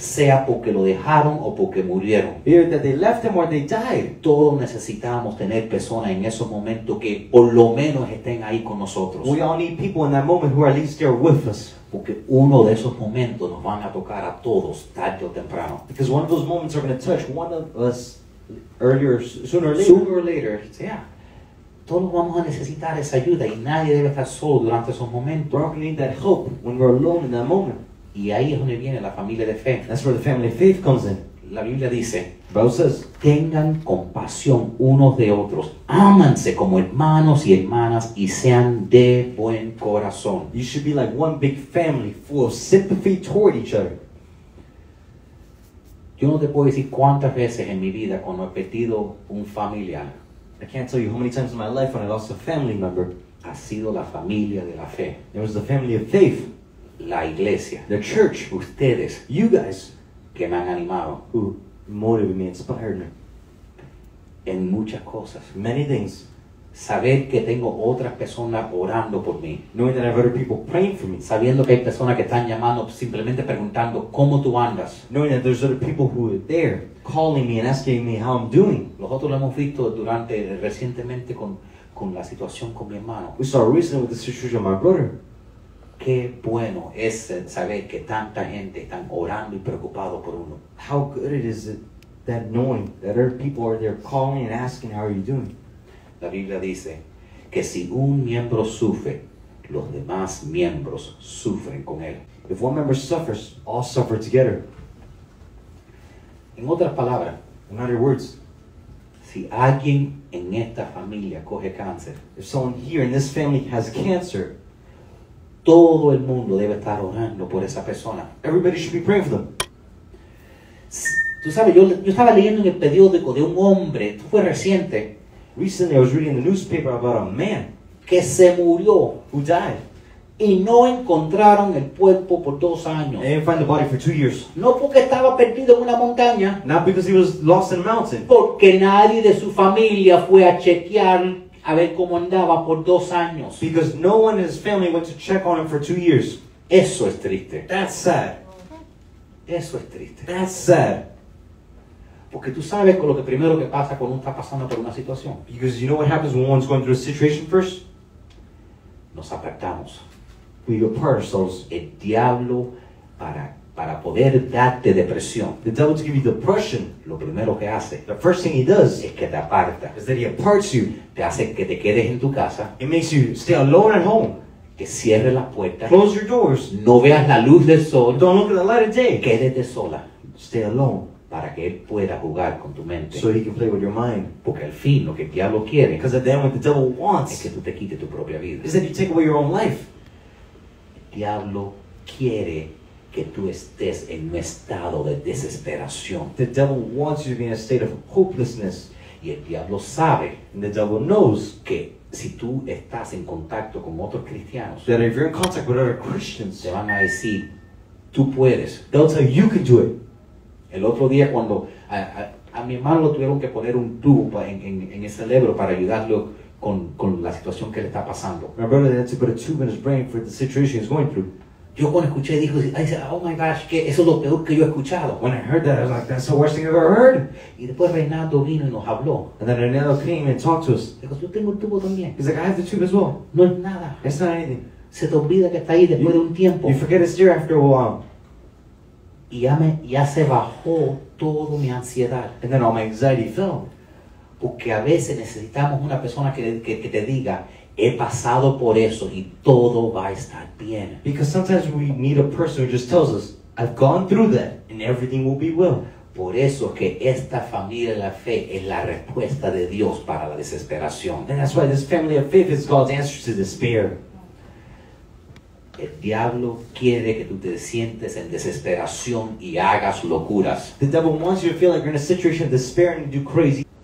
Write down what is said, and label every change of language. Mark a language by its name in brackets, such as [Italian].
[Spanish] Sea porque lo dejaron o porque murieron. [English] Either that they left them or they died. [Spanish] Todos necesitamos tener personas en esos momentos que por lo menos estén ahí con nosotros. [English] We all need people in that moment who are at least there with us. [Spanish] Porque uno de esos momentos nos van a tocar a todos tarde o temprano. [English] Because one of those moments are going to touch one of us earlier, sooner or later. Sooner or later, yeah. [Spanish] Todos vamos a necesitar esa ayuda y nadie debe estar solo durante esos momentos. [English] We're all going to need that help when we're alone in that moment. [Spanish] Y ahí es donde viene la familia de fe. [English] That's where the family of faith comes in. [Spanish] La Biblia dice, [English] says, [Spanish] tengan compasión unos de otros, ámanse como hermanos y hermanas y sean de buen corazón. [English] You should be like one big family full of sympathy toward each other. [Spanish] Yo no te puedo decir cuántas veces en mi vida cuando he perdido un familiar. [English] I can't tell you how many times in my life when I lost a family member. [Spanish] Ha sido la familia de la fe. [English] It was the family of faith. [Spanish] La iglesia. [English] The church. [Spanish] Ustedes. [English] You guys. [Spanish] Que me han animado. [English] Who motivated me, inspired me. [Spanish] En muchas cosas. [English] Many things. [Spanish] Saber que tengo otras personas orando por mí. [English] Knowing that I have other people praying for me. [Spanish] Sabiendo que hay personas que están llamando simplemente preguntando cómo tú andas. [English] Knowing that there's other people who are there calling me and asking me how I'm doing. [Spanish] Nosotros lo hemos visto durante recientemente con la situación con mi hermano. [English] We saw recently with the situation of my brother. [Spanish] Qué bueno es saber que tanta gente están orando y preocupado por uno. [English] How good it is that knowing that other people are there calling and asking, how are you doing? [Spanish] La Biblia dice que si un miembro sufre, los demás miembros sufren con él. [English] If one member suffers, all suffer together. [Spanish] En otras palabras, [English] in other words, [Spanish] si alguien en esta familia coge cáncer, [English] if someone here in this family has cancer, [Spanish] todo el mundo debe estar orando por esa persona. [English] Everybody should be praying for them. [Spanish] Tú sabes, yo estaba leyendo en el periódico de un hombre, esto fue reciente. [English] Recently I was reading the newspaper about a man [Spanish] que se murió, [English] who died. [Spanish] Y no encontraron el cuerpo por 2 años. [English] They didn't find the body for 2 years. [Spanish] No porque estaba perdido en una montaña. [English] Not because he was lost in a mountain. [Spanish] Porque nadie de su familia fue a chequear a ver cómo andaba por 2 años. [English] Because no one in his family went to check on him for 2 years. [Spanish] Eso es triste. [English] That's sad. [Spanish] Eso es triste. [English] That's sad. [Spanish] Porque tú sabes con lo que primero que pasa cuando uno está pasando por una situación. [English] Because you know what happens when one's going through a situation first? [Spanish] Nos apartamos. [English] We apart ourselves. [Spanish] El diablo para poder darte depresión. [English] The devil to give you depression. [Spanish] Lo primero que hace. [English] The first thing he does. [Spanish] Es que te aparta. [English] Is that he aparts you. [Spanish] Te hace que te quedes en tu casa. [English] It makes you stay alone at home. [Spanish] Que cierres las puertas. [English] Close your doors. [Spanish] No veas la luz del sol. [English] Don't look at the light of day. [Spanish] Quédate sola. [English] Stay alone. [Spanish] Para que él pueda jugar con tu mente. [English] So he can play with your mind. [Spanish] Porque al fin lo que el diablo quiere. [English] Because at the end what the devil wants. [Spanish] Es que tú te quites tu propia vida. [English] Is that you take away your own life. [Spanish] El diablo quiere que tú estés en un estado de desesperación. [English] The devil wants you to be in a state of hopelessness. [Spanish] Y el diablo sabe. [English] And the devil knows. [Spanish] Que si tú estás en contacto con otros cristianos. [English] That if you're in contact with other Christians. [Spanish] Te van a decir, tú puedes. [English] They'll tell you, you can do it. [Spanish] El otro día cuando a mi hermano lo tuvieron que poner un tubo en el cerebro para ayudarlo con la situación que le está pasando. [English] My brother had to put a tube in his brain for the situation he's going through. [Spanish] Yo cuando escuché dijo, [English] I said, oh my gosh, [Spanish] que eso es lo peor que yo he escuchado. [English] When I heard that, I was like, that's the worst thing I've ever heard. [Spanish] Y después Reynaldo vino y nos habló. [English] And then Reynaldo came and talked to us. [Spanish] Dijo, yo tengo el tubo también. [English] He's like, I have the tube as well. [Spanish] No es nada. [English] It's not anything. [Spanish] Se te olvida que está ahí después de un tiempo. [English] You forget it's there after a while. [Spanish] Y ya se bajó toda mi ansiedad. [English] And then all my anxiety fell. [Spanish] Porque a veces necesitamos una persona que te diga, he pasado por eso y todo va a estar bien. [English] Because sometimes we need a person who just tells us, I've gone through that and everything will be well. [Spanish] Por eso que esta familia de la fe es la respuesta de Dios para la desesperación. [English] And that's why this family of faith is God's answer to despair. [Spanish] El diablo quiere que tú te sientes en desesperación y hagas locuras. [English] The devil wants you to feel like you're in a situation of despair and do crazy.